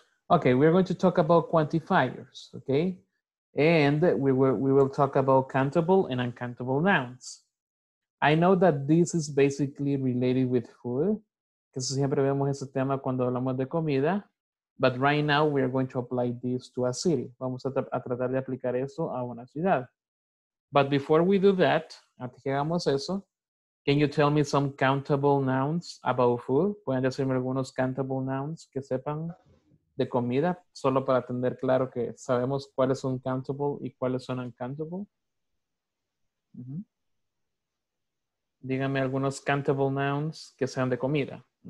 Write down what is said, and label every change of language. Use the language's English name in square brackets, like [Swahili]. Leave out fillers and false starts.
[English] Okay, we're going to talk about quantifiers, okay? And we will talk about countable and uncountable nouns. I know that this is basically related with food, because [Spanish] siempre vemos ese tema cuando hablamos de comida, [English] but right now we are going to apply this to a city. [Spanish] Vamos a tratar de aplicar eso a una ciudad. [English] But before we do that, [Spanish] antes que hagamos eso, [English] can you tell me some countable nouns about food? [Spanish] ¿Pueden decirme algunos countable nouns que sepan de comida? Solo para tener claro que sabemos cuáles son countable y cuáles son uncountable. Díganme algunos countable nouns que sean de comida.